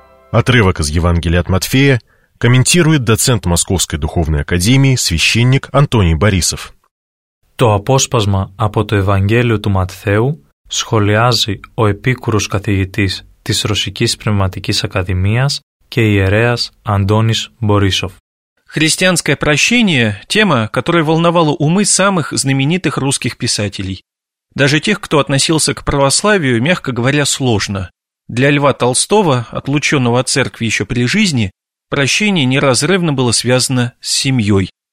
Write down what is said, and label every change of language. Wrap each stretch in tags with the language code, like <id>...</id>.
<ru>Отрывок из Евангелия от Матфея комментирует доцент Московской духовной академии священник Антоний Борисов.</ru> <el>Το απόσπασμα από το Ευαγγέλιο του Ματθαίου σχολιάζει ο επίκουρος καθηγητής της Ρωσικής Πνευματικής Ακαδημίας και ιερέας Αντώνης Μπορίσοφ.</el> <ru>Христианское прощение – тема, которая волновала умы самых знаменитых русских писателей. Даже тех, кто относился к православию, мягко говоря, сложно. Для Льва Толстого, отлученного от церкви еще при жизни, прощение неразрывно было связано с семьей.</ru>